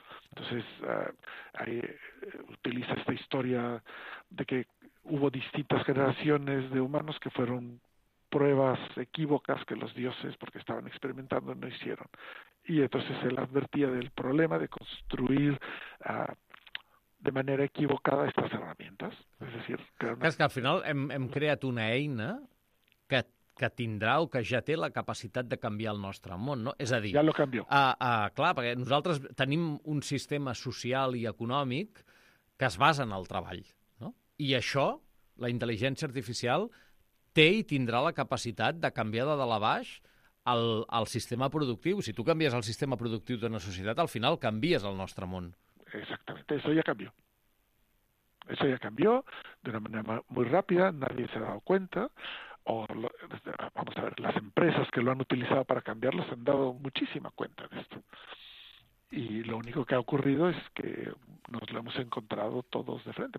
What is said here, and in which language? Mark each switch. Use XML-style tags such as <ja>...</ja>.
<es>Entonces, ahí utiliza esta historia de que hubo distintas generaciones de humanos que fueron pruebas equívocas que los dioses, porque estaban experimentando, no hicieron. Y entonces él advertía del problema de construir de manera equivocada estas herramientas. Es decir,</es> <ca>És que al final hem creat una eina que tindrà o que ja té la capacitat de canviar el nostre món, no? És a dir, ja lo canvio. Clar, perquè nosaltres tenim un sistema social i econòmic que es basa en el treball, no? I això, la intel·ligència artificial, té i tindrà la capacitat de canviar de dalt a baix el sistema productiu. Si tu canvies el sistema productiu d'una societat, al final canvies el nostre món.</ca> <es>Exactamente, eso ya cambió. Eso ya cambió de una manera muy rápida, nadie se ha dado cuenta. Vamos a ver, las empresas que lo han utilizado para cambiarlo se han dado muchísima cuenta de esto. Y lo único que ha ocurrido es que nos lo hemos encontrado todos de frente.</es>